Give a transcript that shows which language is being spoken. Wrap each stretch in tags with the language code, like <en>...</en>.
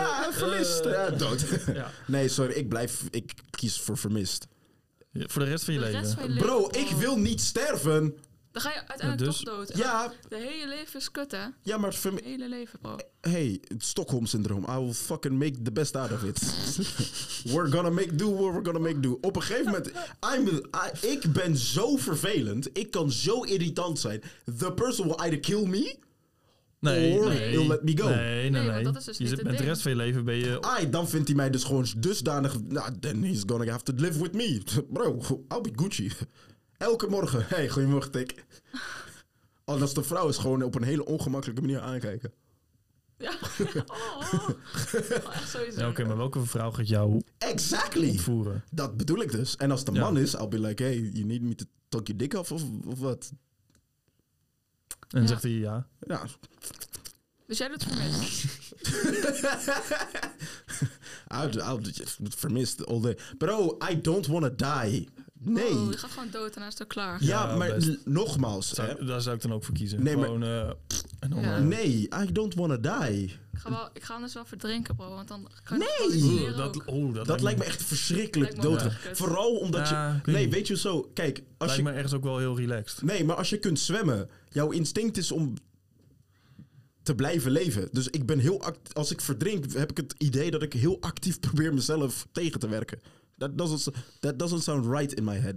<nl>Vermist. Dood. Ja. Nee, sorry, ik kies voor vermist. Ja, voor de rest van je leven. Bro, ik wil niet sterven. Dan ga je uiteindelijk toch dood. Ja. De hele leven is kut, hè? Ja, maar het hele leven, bro. Hey, het Stockholm-syndroom.</nl> <en>I will fucking make the best out of it. We're gonna make do what we're gonna make do.</en> <nl>Op een gegeven moment... ik ben zo vervelend. Ik kan zo irritant zijn.</nl> <en>The person will either kill me...</en> <nl>Nee,</nl> <en>let me go.</en> <nl>Nee. Dat is dus je zit met de rest van je leven ben je... Dan vindt hij mij dus gewoon dusdanig...</nl> <en>then he's gonna have to live with me. Bro, I'll be Gucci.</en> <nl>Elke morgen. Hey, goeiemorgen,</nl> <en>Tik.</en> <nl>Als de vrouw is gewoon op een hele ongemakkelijke manier aankijken. Ja. Oh, echt sowieso. Ja, oké, maar welke vrouw gaat jou ontvoeren? Dat bedoel ik dus. En als de man is,</nl> <en>I'll be like... Hey, you need me to talk your dick off</en> <nl>of wat? En zegt hij ja. Ja. Dus jij doet vermist.</nl> <en>I'll just vermist all day. But oh, I don't want to die.</en> <nl>Nee. Oh, je gaat gewoon dood en dan is het klaar. Ja, maar nogmaals. Daar zou ik dan ook voor kiezen. Nee, gewoon, maar, Nee,</nl> <en>I don't want to die.</en> <nl>Ik ga anders wel verdrinken, bro. Want dan kan nee! Dat lijkt me echt verschrikkelijk dood. Vooral omdat je... Nee, weet je zo... Kijk, als lijkt je... me ergens ook wel heel relaxed. Nee, maar als je kunt zwemmen... Jouw instinct is om... te blijven leven. Dus ik ben heel actief... Als ik verdrink, heb ik het idee dat ik heel actief probeer mezelf tegen te werken.</nl> <en>That doesn't sound right in my head.</en>